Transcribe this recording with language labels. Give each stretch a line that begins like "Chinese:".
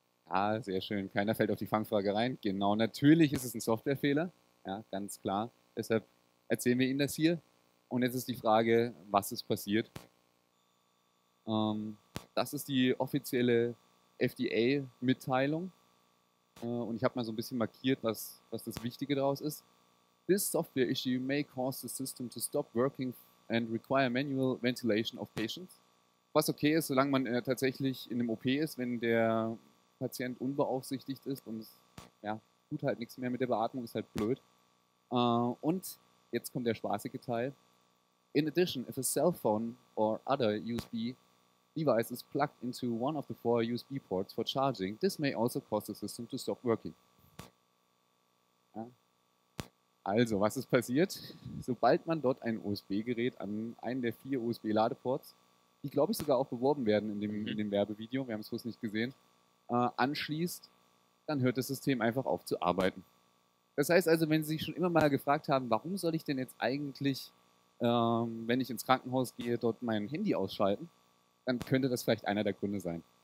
German: Ja, sehr schön. Keiner fällt auf die Fangfrage rein. Genau, natürlich ist es ein Softwarefehler. Ja, ganz klar. Deshalb erzählen wir Ihnen das hier. Und jetzt ist die Frage, was ist passiert? Das ist die offizielle FDA-Mitteilung. Und ich habe mal so ein bisschen markiert, was das Wichtige daraus ist.
English: This software issue may cause the system to stop working and require manual ventilation of patients.
German: Was okay ist, solange man tatsächlich in einem OP ist, wenn der Patient unbeaufsichtigt ist und es ja, tut halt nichts mehr mit der Beatmung, ist halt blöd. Und jetzt kommt der spaßige Teil.
English: In addition, if a cell phone or other USB device is plugged into one of the four USB ports for charging, this may also cause the system to stop working.
German: Ja. Also, was ist passiert? Sobald man dort ein USB-Gerät an einen der vier USB-Ladeports, die glaube ich sogar auch beworben werden in dem Werbevideo, wir haben es bloß nicht gesehen, anschließt, dann hört das System einfach auf zu arbeiten. Das heißt also, wenn Sie sich schon immer mal gefragt haben, warum soll ich denn jetzt eigentlich, wenn ich ins Krankenhaus gehe, dort mein Handy ausschalten, dann könnte das vielleicht einer der Gründe sein.